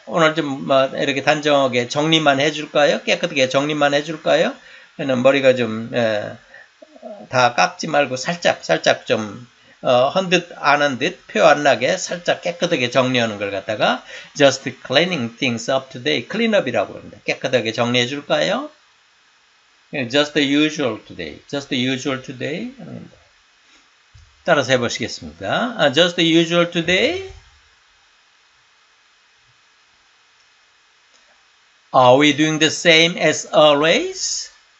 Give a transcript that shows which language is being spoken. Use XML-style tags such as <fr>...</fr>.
<ko>오늘 좀 이렇게 단정하게 정리만 해줄까요? 깨끗하게 정리만 해줄까요? 그냥 머리가 좀 다 깎지 말고 살짝 좀 헌 듯 안 한 듯 표 안 나게 살짝 깨끗하게 정리하는 걸 갖다가</ko> <en>just cleaning things up today, clean up</en> <ko>이라고 합니다. 깨끗하게 정리해줄까요?</ko> <en>Just the usual today, just the usual today.</en> <ko>따라서 해보시겠습니다.</ko> <en>Just the usual today. Are we doing the same as always?</en>